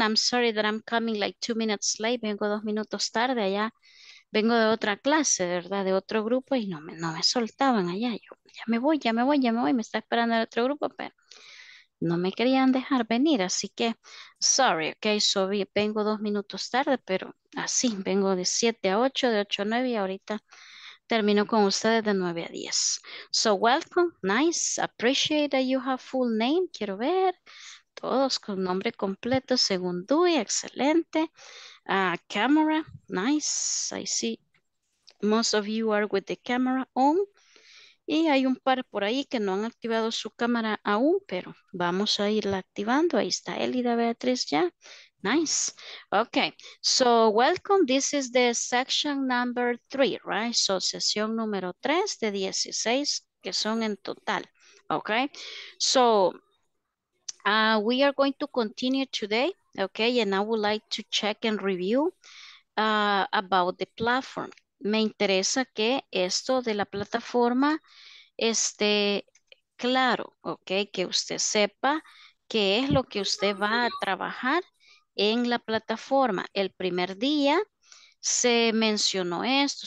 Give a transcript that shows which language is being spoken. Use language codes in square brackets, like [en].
[en] I'm sorry that I'm coming like 2 minutes late. [es] Vengo 2 minutos tarde allá. Vengo de otra clase, ¿verdad? De otro grupo y no me soltaban allá. Yo, ya me voy, ya me voy, ya me voy. Me está esperando el otro grupo, pero no me querían dejar venir, así que, sorry, okay, so vengo 2 minutos tarde, pero así, vengo de 7 a 8, de 8 a 9 y ahorita termino con ustedes de 9 a 10. [en] So, welcome, nice, appreciate that you have full name, [es] quiero ver, todos con nombre completo, según Dewey, excelente. [en] Camera, nice, I see most of you are with the camera on. [es] Y hay un par por ahí que no han activado su cámara aún, pero vamos a irla activando. Ahí está Elida Beatriz ya. Nice. Okay. [en] So, welcome. This is the section number 3, right? [es] So, sesión número 3 de 16 que son en total. [en] Okay. So, we are going to continue today. Okay. And I would like to check and review about the platform. [es] Me interesa que esto de la plataforma esté claro, ¿ok? Que usted sepa qué es lo que usted va a trabajar en la plataforma. El primer día se mencionó esto.